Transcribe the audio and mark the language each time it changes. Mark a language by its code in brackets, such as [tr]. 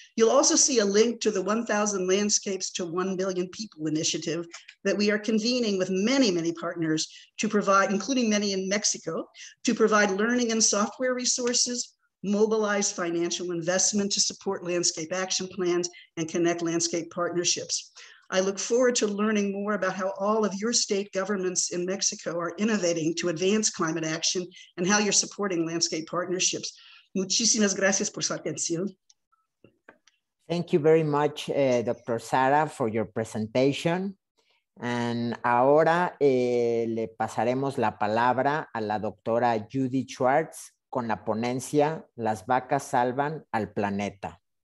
[en] You'll also see a link to the 1,000 Landscapes to 1 Billion People initiative that we are convening with many, many partners to provide, including many in Mexico, to provide learning and software resources, mobilize financial investment to support landscape action plans, and connect landscape partnerships. I look forward to learning more about how all of your state governments in Mexico are innovating to advance climate action and how you're supporting landscape partnerships. [es] Muchísimas gracias por su atención. [en] Thank you very much, Dr. Sara, for your presentation. [es] Ahora le pasaremos la palabra a la doctora Judy Schwartz con la ponencia Las vacas salvan al planeta.